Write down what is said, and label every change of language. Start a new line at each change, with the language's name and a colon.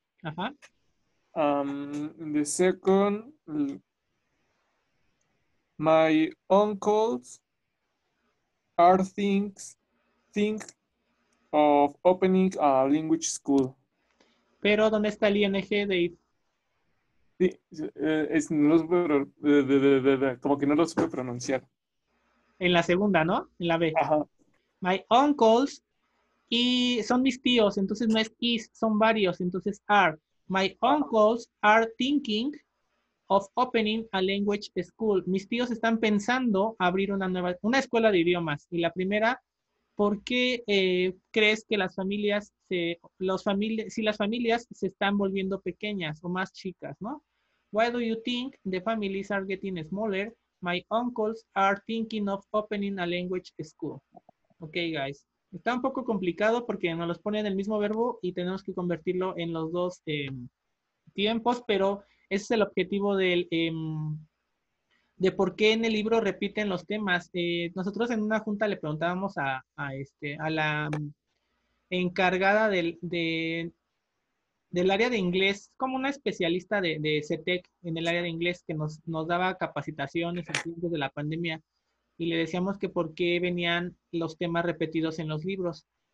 English: Uh-huh. In the second, my uncles are think of opening a language school.
Spanish: Pero ¿dónde está el ING, Dave? Sí, es no lo supe, como que no lo supe pronunciar. En la segunda, ¿no? En la B. Ajá. Uh-huh.
English: My uncles,
Spanish: y son mis tíos, entonces no es is, son varios, entonces are.
English: My uncles are thinking of opening a language school.
Spanish: Mis tíos están pensando abrir una escuela de idiomas. Y la primera, ¿por qué crees que las familias se están volviendo pequeñas o más chicas, ¿no?
English: Why do you think the families are getting smaller? My uncles are thinking of opening a language school. Okay, guys.
Spanish: Está un poco complicado porque nos los ponen el mismo verbo y tenemos que convertirlo en los dos tiempos, pero ese es el objetivo del de por qué en el libro repiten los temas. Nosotros en una junta le preguntábamos a la encargada del área de inglés, como una especialista de CETEC en el área de inglés que nos daba capacitaciones en tiempos de la pandemia, y le decíamos que por qué venían los temas repetidos en los libros.